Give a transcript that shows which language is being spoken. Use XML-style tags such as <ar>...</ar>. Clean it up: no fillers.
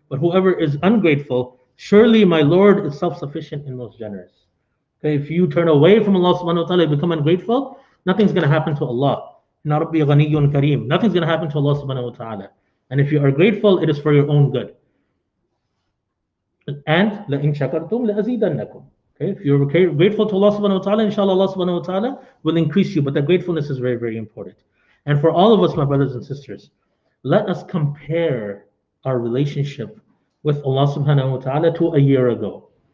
<en>But whoever is ungrateful, surely my Lord is self-sufficient and most generous. Okay, if you turn away from Allah subhanahu wa ta'ala, become ungrateful, nothing's going to happen to Allah.</en> <ar>إِنَّ رَبِّي غَنِيٌّ كَرِيمٌ.</ar> <en>Nothing's going to happen to Allah subhanahu wa ta'ala. And if you are grateful, it is for your own good.</en> <ar>And لَإِنْ شَكَرْتُمْ لَأَزِيدَنَّكُمْ.</ar> <en>If you're grateful to Allah subhanahu wa ta'ala, inshallah Allah subhanahu wa ta'ala will increase you. But that gratefulness is very, very important. And for all of us, my brothers and sisters, let us compare our relationship with Allah subhanahu wa ta'ala to a year ago.</en>